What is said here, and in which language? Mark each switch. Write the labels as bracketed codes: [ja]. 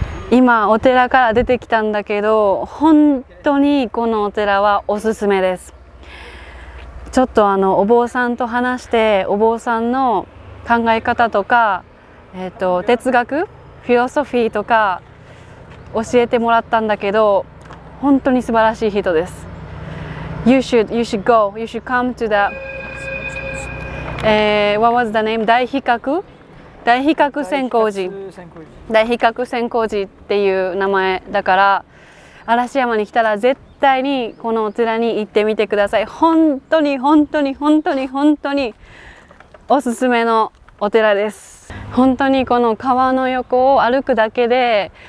[ja] 今お寺から出てきたんだけど、本当にこのお寺はおすすめです。ちょっとお坊さんと話して、お坊さんの考え方とか、哲学フィロソフィーとか教えてもらったんだけど、本当に素晴らしい人です。 [en] You should come to the what was the name? [ja] 大比較専光寺大比較専光寺っていう名前だから、嵐山に来たら絶対にこのお寺に行ってみてください。本当に本当に本当に本当におすすめのお寺です。本当にこの川の横を歩くだけで